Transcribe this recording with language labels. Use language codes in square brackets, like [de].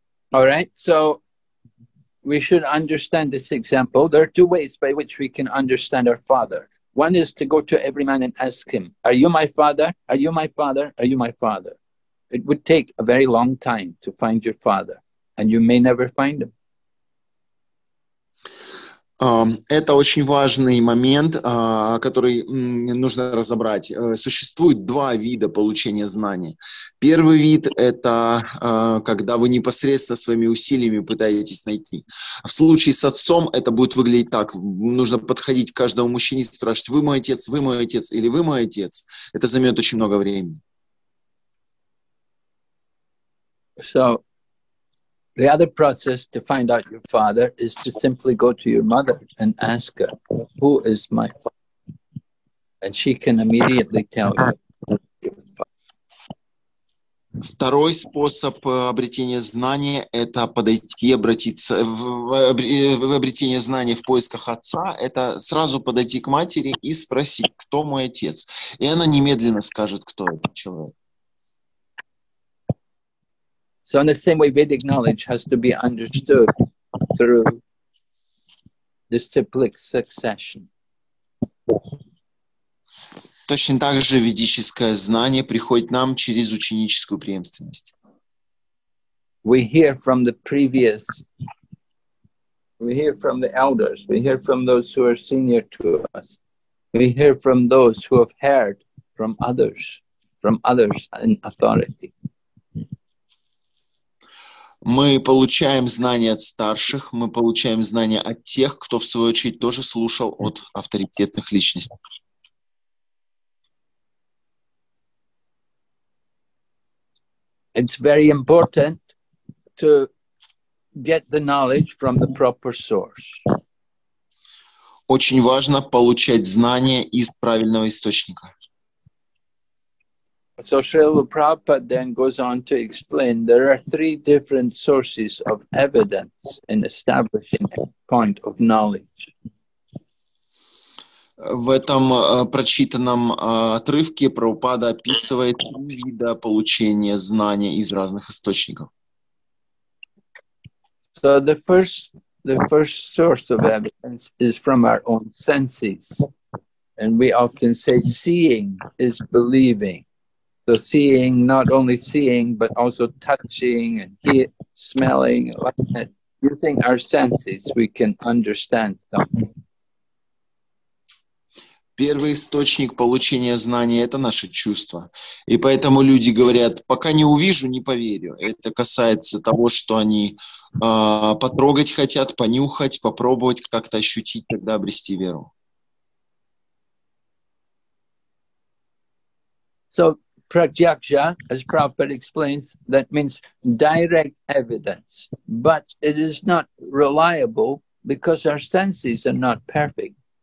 [en] All right, so we should understand this example. There are two ways by which we can understand our father. One is to go to every man and ask him, are you my father? Are you my father? Are you my father? It would take a very long time to find your father, and you may never find him. [ru] Это очень важный момент, который нужно разобрать. Существует два вида получения знаний. Первый вид – это когда вы непосредственно своими усилиями пытаетесь найти. В случае с отцом это будет выглядеть так. Нужно подходить к каждому мужчине и спрашивать, вы мой отец или вы мой отец. Это займет очень много времени. [en] So... The other process to find out your father is to simply go to your mother and ask her, who is my father? And she can immediately tell you. [ru] Второй способ обретения знания – это подойти и обратиться в обретение знания в поисках отца – это сразу подойти к матери и спросить, кто мой отец. И она немедленно скажет, кто этот человек. [en] So in the same way, Vedic knowledge has to be understood through the cyclic succession. [ru] Точно так же ведическое знание приходит нам через ученическую преемственность. [en] We hear from the previous, we hear from the elders, we hear from those who are senior to us, we hear from those who have heard from others in authority. [ru] Мы получаем знания от старших, мы получаем знания от тех, кто, в свою очередь, тоже слушал от авторитетных личностей. [en] It's very important to get the knowledge from the proper source. [ru] Очень важно получать знания из правильного источника. [en] So Srila Prabhupada then goes on to explain there are three different sources of evidence in establishing a point of knowledge. [ru] В этом прочитанном отрывке Прабхупада описывает три вида получения знания из разных источников. [en] So the first source of evidence is from our own senses. And we often say seeing is believing. So seeing, not only seeing, but also touching and smelling, using our senses, we can understand something. [ru] Первый источник получения знания – это наши чувства. И поэтому люди говорят, пока не увижу, не поверю. Это касается того, что они потрогать хотят, понюхать, попробовать как-то ощутить, тогда обрести веру. [en] So, pratyaksha, as Prabhupada explains, that means direct evidence. But it is not reliable because our senses are not perfect.